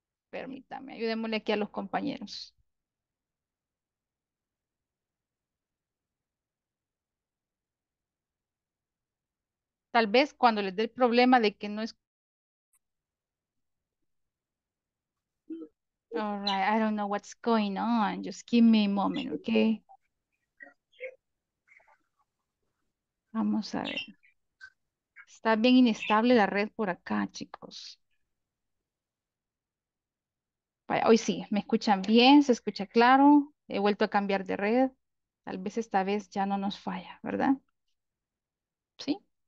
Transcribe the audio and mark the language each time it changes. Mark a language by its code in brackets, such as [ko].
[es] Permítame, ayudémosle aquí a los compañeros. Tal vez cuando les dé el problema de que no es. [en] Right, I don't know what's going on. Just give me a moment, okay? [es] Vamos a ver. Está bien inestable la red por acá, chicos. Hoy sí, me escuchan bien, se escucha claro. He vuelto a cambiar de red. Tal vez esta vez ya no nos falla, ¿verdad? ¿Sí?